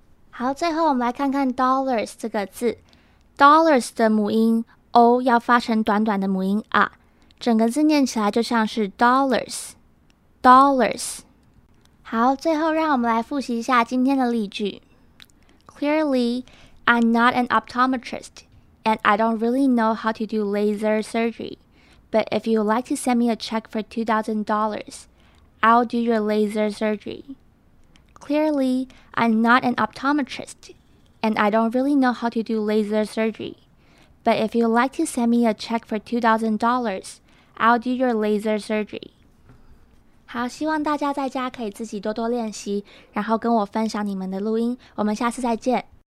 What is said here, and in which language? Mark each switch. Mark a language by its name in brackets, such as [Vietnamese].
[Chinese] 好，最后我们来看看 dollars 这个字。dollars 的母音 o 要发成短短的母音 a， 整个字念起来就像是 dollars， dollars。好，最后让我们来复习一下今天的例句。 [English] Clearly I'm not an optometrist and I don't really know how to do laser surgery. But if you would like to send me a check for $2,000, I'll do your laser surgery. Clearly, I'm not an optometrist, and I don't really know how to do laser surgery. But if you would like to send me a check for $2,000, I'll do your laser surgery. [Chinese] 好，希望大家在家可以自己多多练习，然后跟我分享你们的录音。我们下次再见。